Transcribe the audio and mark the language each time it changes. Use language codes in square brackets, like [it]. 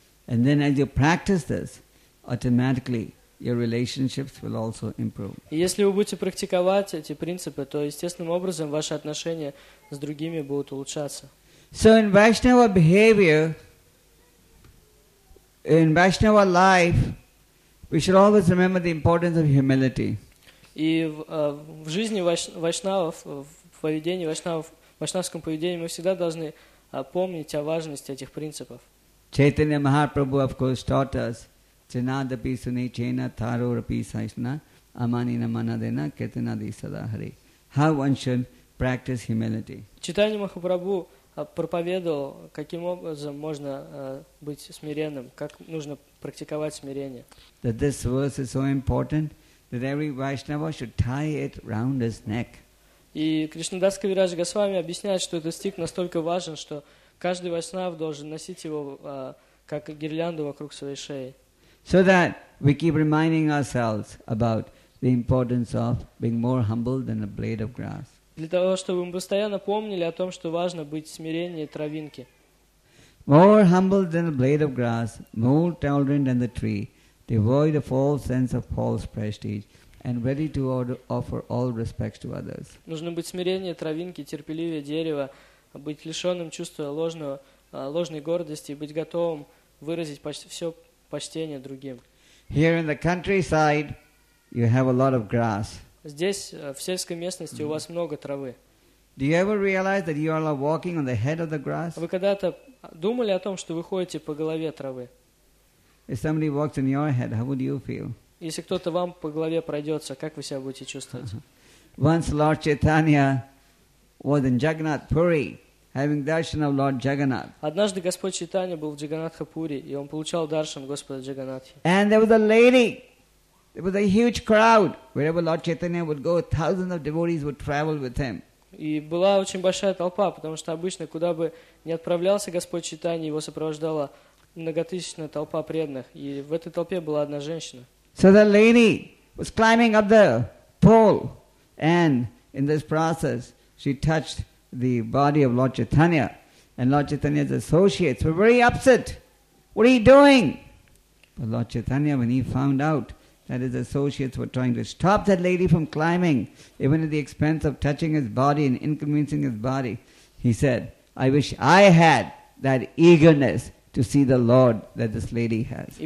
[en] And then as you practice this, automatically your relationships will also improve. [ru] И если вы будете практиковать эти принципы, то естественным образом ваши отношения с другими будут улучшаться. [en] So in Vaishnava behavior, in Vaishnava life, we should always remember the importance of humility. [ru] И в жизни вайшнавов, в поведении вайшнавов, в вайшнавском поведении мы всегда должны помнить о важности этих принципов. Chaitanya Mahaprabhu, [en] of course, taught us Chinadapi Suni Chena Tharo Rapi Saishna Amanina Manadena Ketana Disadahari. How one should practice humility. [ru] Chaitanya Mahaprabhu проповедовал, каким образом можно быть смиренным, как нужно практиковать смирение. [en] That this verse is so important that every Vaishnava should tie it round his neck. [ru] И Кришнадас Кавираджа Госвами объясняет, что этот стих настолько важен, что каждый вайшнав должен носить его как гирлянду вокруг своей шеи. [en] So that we keep reminding ourselves about the importance of being more humble than a blade of grass. [ru] Для того, чтобы мы постоянно помнили о том, что важно быть смиреннее травинки. [en] More humble than a blade of grass, more tolerant than the tree, devoid of all sense of false prestige, and ready to offer all respects to others. [ru] Нужно быть смиреннее травинки, терпеливее дерева, быть лишенным чувства ложной гордости, быть готовым выразить все почтение другим. [en] Here in the countryside, you have a lot of grass. [ru] Здесь, в сельской местности, у вас много травы. [en] Do you ever realize that you are walking on the head of the grass? [ru] Вы когда-то думали о том, что вы ходите по голове травы? [en] If somebody walks on your head, how would you feel? [ru] Если кто-то вам по голове пройдется, как вы себя будете чувствовать? [en] Once Lord Chaitanya was in Jagannath Puri, having darshan of Lord Jagannath. [ru] Однажды Господь Чайтанья был в Джаганатхапури, и он получал даршан Господа Джаганатхи. [en] And there was a lady. There was a huge crowd. Wherever Lord Chaitanya would go, thousands of devotees would travel with him. [ru] И была очень большая толпа, потому что обычно куда бы ни отправлялся Господь Чайтанья, его сопровождала многотысячная толпа преданных, и в этой толпе была одна женщина. [en] So the lady was climbing up the pole, and in this process, she touched the body of Lord Chaitanya, and Lord Chaitanya's associates were very upset. What are you doing? But Lord Chaitanya, when he found out that his associates were trying to stop that lady from climbing, even at the expense of touching his body and inconveniencing his body, he said, I wish I had that eagerness to see the Lord that this lady has.